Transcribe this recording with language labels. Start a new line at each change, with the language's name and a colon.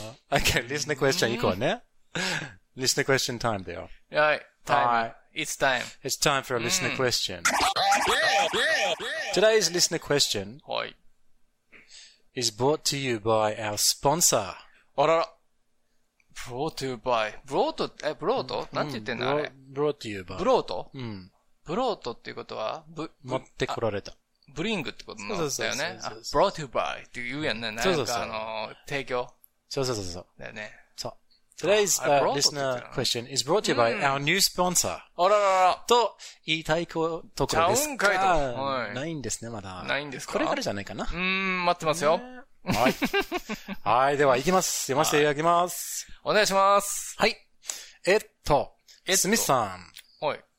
English: Okay, listen to question
Japanese: 以降ね。
English: Listen to question time
Japanese: だよ。
English: はい。Time. It's time. It's time for a listener question. Today's listener question.
Japanese: はい。
English: Is brought to you by our sponsor. あらら。Brought to you by.
Japanese: Brought え brought なんて言ってんだあれ。
English: Brought to you by. Brought
Japanese: うん。ブロートっていうことは、持ってこられた。ブリングってことなんだよね。ブロートバイって言うやんね。なんか、提供。そうそうそう。だよね。そう。
English: Today's listener question is brought to you by our new sponsor.
Japanese: あらららと言いたいところです。ちゃうんかいと。ないんですね、まだ。ないんですか。これからじゃないかな。待ってますよ。はい。はい、では行きます。読ませていただきます。お願いします。はい。スミスさん。はい。